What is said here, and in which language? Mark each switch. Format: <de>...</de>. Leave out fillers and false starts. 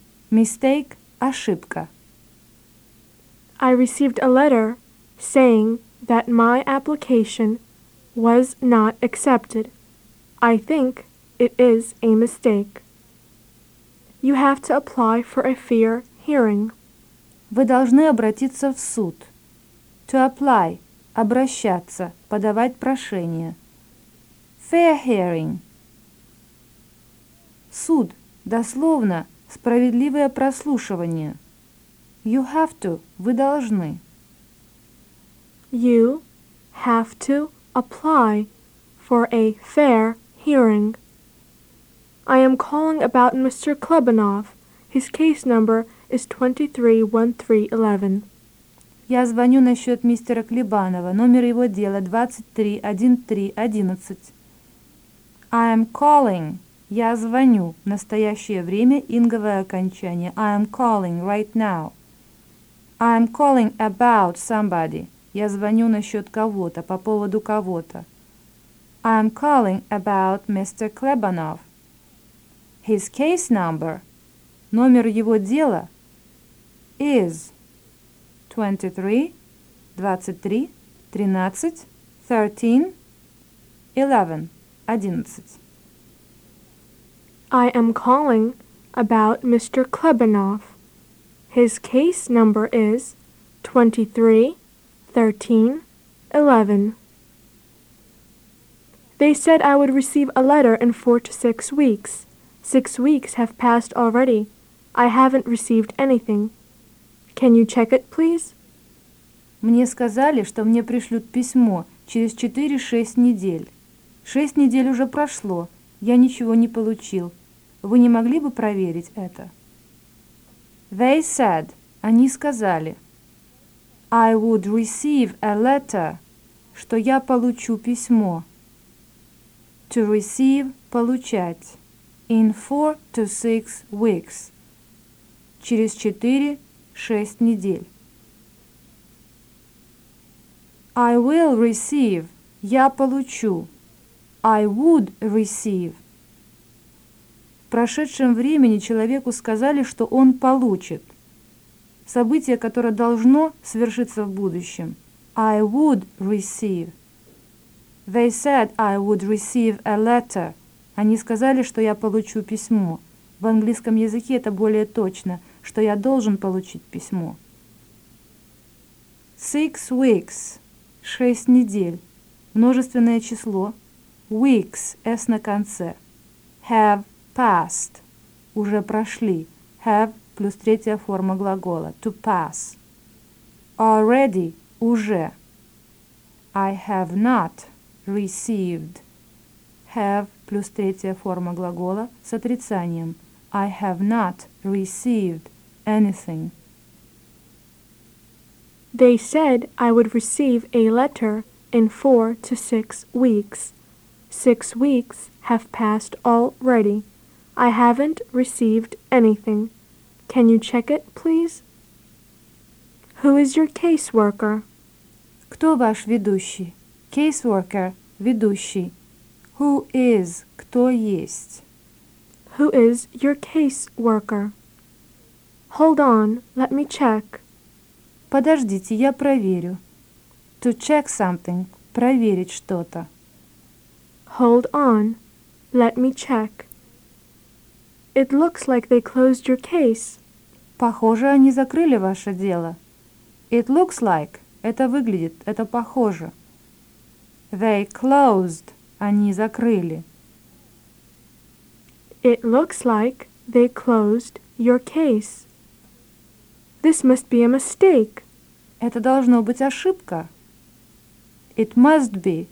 <en>Mistake – ошибка. I received a letter saying that my application was not accepted. I think it is a mistake. You have to apply for a fair hearing.</en> <ru>Вы должны обратиться в суд.</ru> <en>To apply</en> <ru>– обращаться, подавать прошение.</ru> <en>Fair hearing.</en> <ru>Суд – дословно справедливое прослушивание.</ru> <en>You have to –</en> <ru>вы должны.</ru> <en>You have to apply for a fair hearing. I am calling about Mr. Klebanov. His case number is 231311.</en> <ru>Я звоню насчет мистера Клебанова. Номер его дела 231311.</ru> <en>I am calling.</en> <ru>Я звоню. Настоящее время, инговое окончание.</ru> <en>I am calling right now. I am calling about somebody.</en> <ru>Я звоню насчет кого-то, по поводу кого-то.</ru> <en>I am calling about Mr. Klebanov. His case number,</en> <ru>номер его дела,</ru> <en>is 23-23-13-13-11-11. I am calling about Mr. Klebanov. His case number is 23-13-11. They said I would receive a letter in 4 to 6 weeks. 6 weeks have passed already. I haven't received anything. Can you check it, please?</en> <ru>Мне сказали, что мне пришлют письмо через 4-6 недель. 6 недель уже прошло. Я ничего не получил. Вы не могли бы проверить это?</ru> <en>They said.</en> <ru>Они сказали.</ru> <en>I would receive a letter.</en> <ru>Что я получу письмо.</ru> <en>To receive – получать. In 4 to 6 weeks.</en> <ru>Через 4-6 недель.</ru> <en>I will receive.</en> <ru>Я получу.</ru> <en>I would receive.</en> <ru>В прошедшем времени человеку сказали, что он получит. Событие, которое должно свершиться в будущем.</ru> <en>I would receive. They said I would receive a letter.</en> <ru>Они сказали, что я получу письмо. В английском языке это более точно, что я должен получить письмо.</ru> <en>6 weeks.</en> <ru>6 недель. Множественное число. Weeks. S на конце.</ru> <en>Have passed.</en> <ru>Уже прошли. Have плюс третья форма глагола.</ru> <en>To pass. Already. Уже. I have not received.</en> <ru>Have плюс третья форма глагола с отрицанием.</ru> <en>I have not received anything. They said I would receive a letter in 4 to 6 weeks. 6 weeks have passed already. I haven't received anything. Can you check it, please? Who is your caseworker?</en> <ru>Кто ваш ведущий?</ru> <en>Caseworker, ведущий. Who is,</en> <ru>кто есть?</ru> <en>Who is your caseworker? Hold on, let me check.</en> <ru>Подождите, я проверю.</ru> <en>To check something,</en> <ru>проверить что-то.</ru> <en>Hold on, let me check. It looks like they closed your case.</en> <ru>Похоже, они закрыли ваше дело.</ru> <en>It looks like,</en> <ru>это выглядит, это похоже.</ru> <en>They closed,</en> <ru>они закрыли.</ru> <en>It looks like they closed your case. This must be a mistake.</en> <ru>Это должно быть ошибка.</ru> <en>It must be.</en>